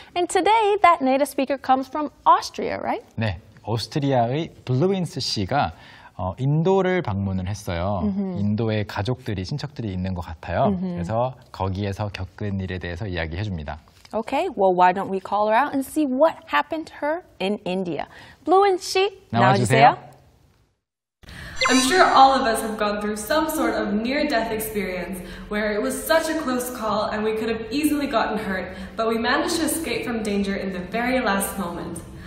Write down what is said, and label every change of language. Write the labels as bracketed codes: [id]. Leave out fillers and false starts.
[en] And today, that native speaker comes from Austria, right? [ko] 네, 오스트리아의 블루인스 씨가 인도를 방문을 했어요. Mm-hmm. 인도에 가족들이, 친척들이 있는 것 같아요. Mm-hmm. 그래서 거기에서 겪은 일에 대해서 이야기해 줍니다. [en] Okay, well, why don't we call her out and see what happened to her in India. Bluen Shi, [ko] 나와주세요. [en] I'm sure all of us have gone through some sort of near-death experience where it was such a close call and we could have easily gotten hurt, but we managed to escape from danger in the very last moment.